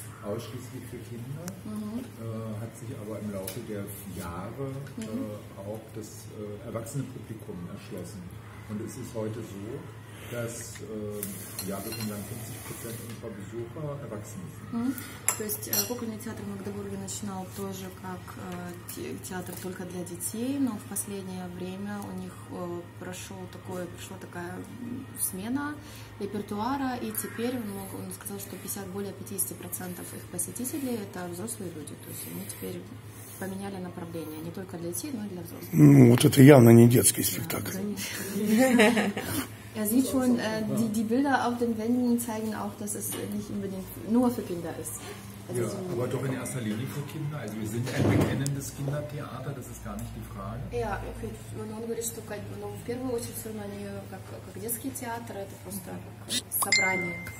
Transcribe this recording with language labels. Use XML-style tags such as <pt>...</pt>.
<de>Ausschließlich für Kinder, hat sich aber im Laufe der Jahre auch das Erwachsenenpublikum erschlossen. Und es ist heute so, dass jahrelang 50% unserer Besucher erwachsen sind.</de> <ru>То есть кукольный театр Магдебурга начинал тоже как театр только для детей, но в последнее время у них прошла такая смена репертуара, и теперь он сказал, что более 50% их посетителей это взрослые люди. То есть они теперь поменяли направление не только для детей, но и для взрослых. Ну вот это явно не детский спектакль.</ru> <de>Er sieht schon, die Bilder auf den Wänden zeigen auch, dass es nicht unbedingt nur für Kinder ist. Also ja, so aber doch in erster Linie für Kinder. Also wir sind ein bekennendes Kindertheater, das ist gar nicht die Frage. Ja, okay.</de> <ru>Und он говорит, что в первую очередь все равно они как детский театр, это просто собрание.</ru>